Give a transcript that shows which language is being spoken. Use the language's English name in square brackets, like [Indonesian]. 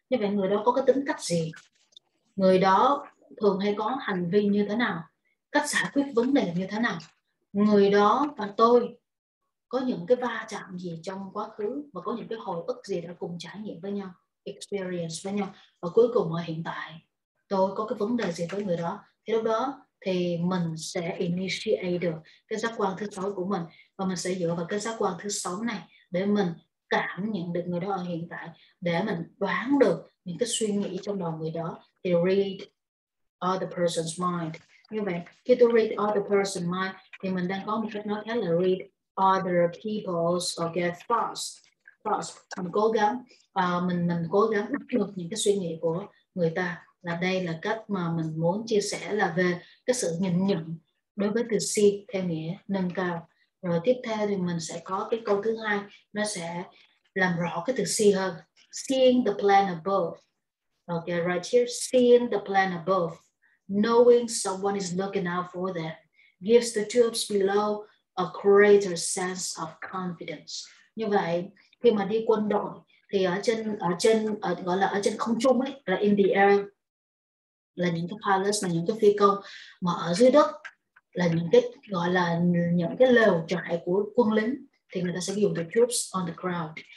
[Vietnamese] Như vậy người đó có cái tính cách gì, người đó thường hay có hành vi như thế nào, cách giải quyết vấn đề như thế nào, người đó và tôi có những cái va chạm gì trong quá khứ, và có những cái hồi ức gì đã cùng trải nghiệm với nhau, experience với nhau, và cuối cùng ở hiện tại tôi có cái vấn đề gì với người đó. Thì lúc đó thì mình sẽ initiate được cái giác quan thứ 6 của mình, và mình sẽ dựa vào cái giác quan thứ 6 này để mình cảm nhận được người đó ở hiện tại, để mình đoán được những cái suy nghĩ trong đầu người đó. [English] Thì read other person's mind. [Vietnamese] Như vậy khi tôi [English] read other person's mind [Vietnamese] thì mình đang có một cách nói khác là [English] read other people's or get thoughts. [Vietnamese] Mình cố gắng đọc được những cái suy nghĩ của người ta. Là đây là cách mà mình muốn chia sẻ, là về cái sự nhìn nhận đối với từ C theo nghĩa nâng cao. Rồi tiếp theo thì mình sẽ có cái câu thứ hai, nó sẽ làm rõ cái từ see hơn. [English] Seeing the plan above. Okay, right here. Seeing the plan above. Knowing someone is looking out for them gives the troops below a greater sense of confidence. [Vietnamese] Như vậy, khi mà đi quân đội thì ở trên không trung ấy, là in the air, là những cái pilots, là những cái phi công, mà ở dưới đất là những cái gọi là những cái lều trại của quân lính, thì người ta sẽ dùng [English] the troops on the ground.